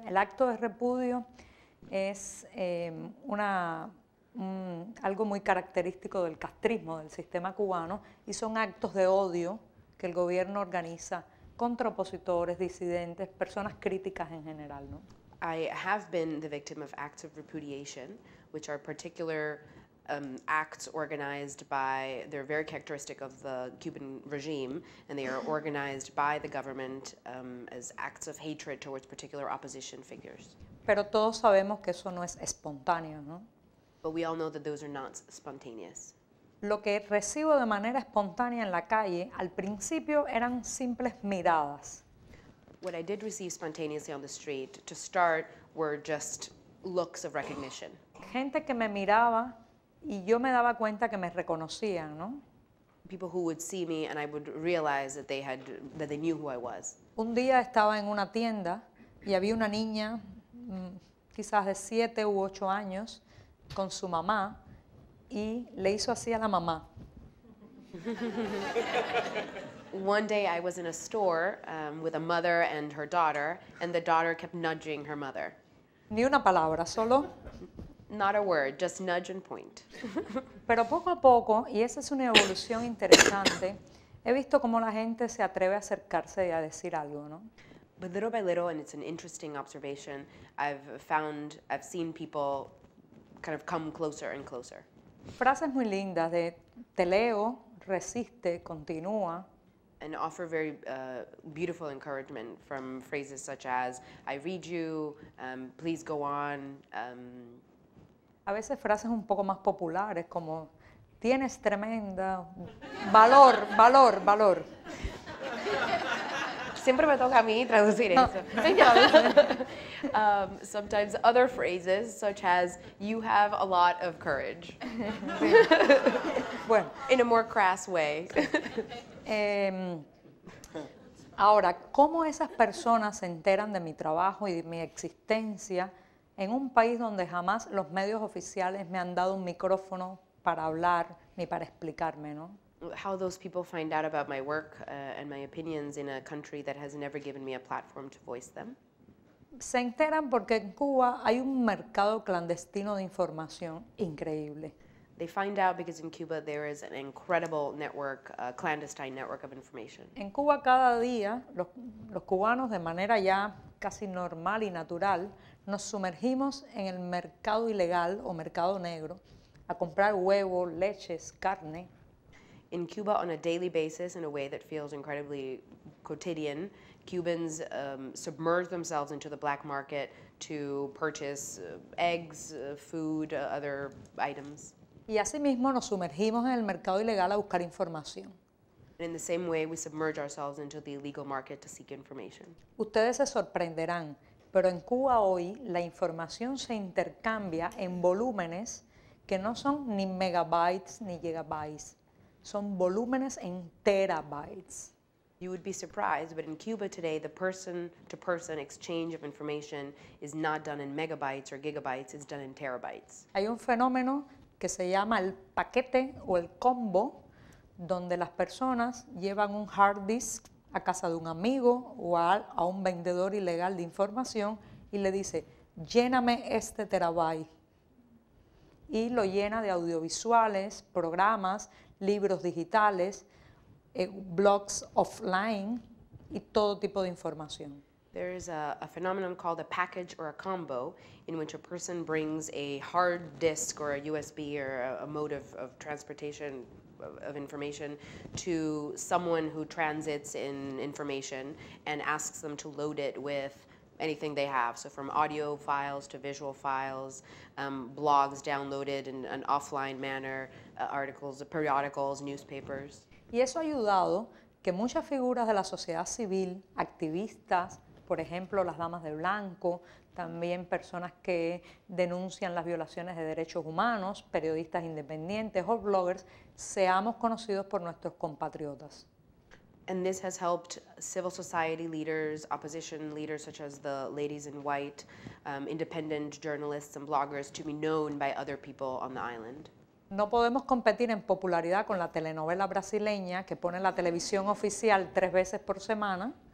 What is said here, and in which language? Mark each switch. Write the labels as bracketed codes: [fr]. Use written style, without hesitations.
[es] El acto de repudio es algo muy característico del castrismo, del sistema cubano, y son actos de odio que el gobierno organiza contra opositores, disidentes, personas críticas en general, ¿no? [en] I have been the victim of acts of repudiation, which are particular acts organized by, they're very characteristic of the Cuban regime, and they are organized by the government as acts of hatred towards particular opposition figures. [es] Pero todos sabemos que eso no es espontáneo, ¿no? [en] But we all know that those are not spontaneous. [es] Lo que recibo de manera espontánea en la calle, al principio eran simples miradas. [en] What I did receive spontaneously on the street, to start, were just looks of recognition. [es] Gente que me miraba y yo me daba cuenta que me reconocían, ¿no? [en] People who would see me and I would realize that they knew who I was. [es] Un día estaba en una tienda y había una niña, quizás de 7 u 8 años, con su mamá, y le hizo así a la mamá. [en] One day I was in a store with a mother and her daughter, and the daughter kept nudging her mother. [es] Ni una palabra, solo. [en] Not a word, just nudge and point. [es] Pero poco a poco, y esa es una evolución interesante, he visto cómo la gente se atreve a acercarse y a decir algo, ¿no? [en] But little by little, and it's an interesting observation, I've seen people kind of come closer and closer. [es] Frases muy lindas de te leo, resiste, continúa. [en] And offer very beautiful encouragement from phrases such as I read you, please go on. [es] A veces frases un poco más populares como tienes tremenda valor, valor, valor. Siempre me toca a mí traducir eso. [en] Sometimes other phrases such as you have a lot of courage. [es] Bueno, [en] in a more crass way. [es] Ahora, ¿cómo esas personas se enteran de mi trabajo y de mi existencia en un país donde jamás los medios oficiales me han dado un micrófono para hablar ni para explicarme, ¿no? [en] how those people find out about my work and my opinions in a country that has never given me a platform to voice them. [es] Se enteran porque en Cuba hay un mercado clandestino de información increíble. [en] They find out because in Cuba there is an incredible network, a clandestine network of information. [es] En Cuba cada día los cubanos de manera ya casi normal y natural nos sumergimos en el mercado ilegal o mercado negro a comprar huevo, leches, carne. [en] In Cuba on a daily basis in a way that feels incredibly quotidian, Cubans submerge themselves into the black market to purchase eggs, food, other items. [es] Y asimismo nos sumergimos en el mercado ilegal a buscar información. [en] And in the same way, we submerge ourselves into the illegal market to seek information. [es] Ustedes se sorprenderán, pero en Cuba hoy la información se intercambia en volúmenes que no son ni megabytes ni gigabytes, son volúmenes en terabytes. [en] You would be surprised, but in Cuba today, the person-to-person exchange of information is not done in megabytes or gigabytes, it's done in terabytes. [es] Hay un fenómeno que se llama el paquete o el combo, donde las personas llevan un hard disk a casa de un amigo o a un vendedor ilegal de información y le dice, lléname este terabyte. Y lo llena de audiovisuales, programas, libros digitales, blogs offline, y todo tipo de información. [en] There is a phenomenon called a package or a combo in which a person brings a hard disk or a USB or a mode of transportation of information to someone who transits in information and asks them to load it with anything they have. So from audio files to visual files, blogs downloaded in an offline manner, articles, periodicals, newspapers. [es] Y eso ha ayudado que muchas figuras de la sociedad civil, activistas, por ejemplo, las damas de blanco, también personas que denuncian las violaciones de derechos humanos, periodistas independientes o bloggers, seamos conocidos por nuestros compatriotas. [en] And this has helped civil society leaders, opposition leaders such as the Ladies in White, independent journalists and bloggers to be known by other people on the island. [es] No podemos competir en popularidad con la telenovela brasileña que pone la televisión oficial tres veces por semana.